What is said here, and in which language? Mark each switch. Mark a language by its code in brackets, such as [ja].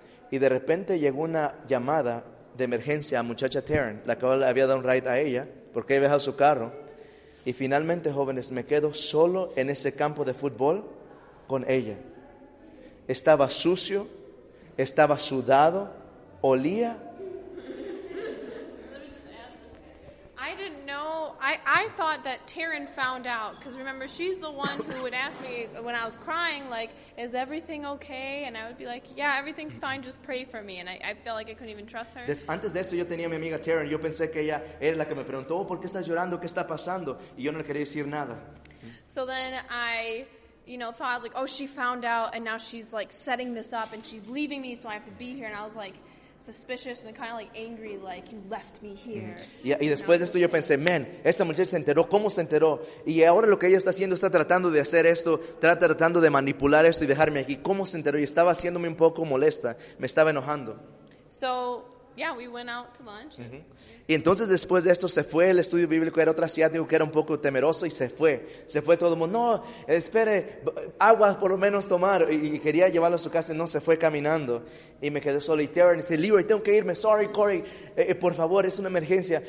[es] Y de repente llegó una llamada de emergencia a muchacha Taryn, la cual había dado un ride a ella, porque había dejado su carro. Y finalmente, jóvenes, me quedo solo en ese campo de fútbol con ella. Estaba sucio, estaba sudado, olía. [en] I didn't know. I thought that Taryn found out, because remember, she's the one who would ask me when I was crying, like, is everything okay? And I would be like, yeah, everything's fine, just pray for me. And I felt like I couldn't even trust her. [es] Antes de eso, yo tenía a mi amiga Taryn. Yo pensé que ella era la que me preguntó, oh, ¿por qué estás llorando? ¿Qué está pasando? Y yo no le quería decir nada. [en] So then I was like, oh, she found out, and now she's, like, setting this up, and she's leaving me, so I have to be here. And I was, like, suspicious and kind of, like, angry, like, you left me here. [es] Y después de esto yo pensé, man, esta muchacha se enteró, ¿cómo se enteró? Y ahora lo que ella está haciendo, está tratando de hacer esto, está tratando de manipular esto y dejarme aquí. ¿Cómo se enteró? Y estaba haciéndome un poco molesta, me estaba enojando. [en] So, yeah, we went out to lunch. [es] Y entonces después de esto se fue el estudio bíblico, era otro asiático que era un poco temeroso y se fue. Se fue todo el mundo, no, espere, agua por lo menos tomar. Y quería llevarlo a su casa y no, se fue caminando. Y me quedé solo y Taryn dice, Leroy, tengo que irme, sorry Corey, por favor, es una emergencia.